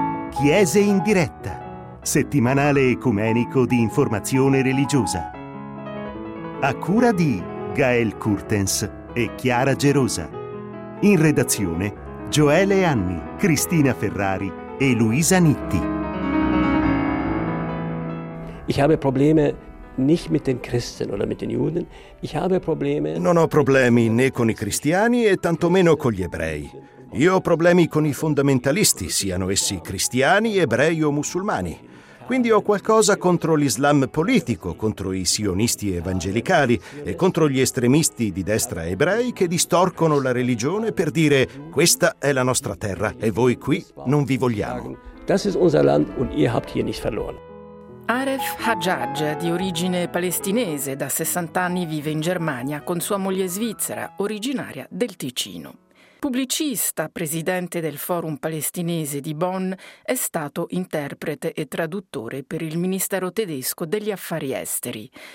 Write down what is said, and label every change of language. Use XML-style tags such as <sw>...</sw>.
<it>Chiese in diretta, settimanale ecumenico di informazione religiosa. A cura di Gael Curtens e Chiara Gerosa. In redazione Gioele Anni, Cristina Ferrari e Luisa Nitti.</it> <de>Ich habe Probleme nicht mit den Christen oder mit den Juden. Ich habe Probleme.</de> <it>Non ho problemi né con i cristiani e tantomeno con gli ebrei. Io ho problemi con i fondamentalisti, siano essi cristiani, ebrei o musulmani. Quindi ho qualcosa contro l'Islam politico, contro i sionisti evangelicali e contro gli estremisti di destra ebrei che distorcono la religione per dire: questa è la nostra terra e voi qui non vi vogliamo.</it> <de>Das ist unser Land und ihr habt hier nicht verloren.</de> <it>Aref Hajjaj, di origine palestinese, da 60 anni vive in Germania con sua moglie svizzera, originaria del Ticino. Pubblicista, presidente del Forum palestinese di Bonn, è stato interprete e traduttore per il Ministero tedesco degli Affari Esteri.</it>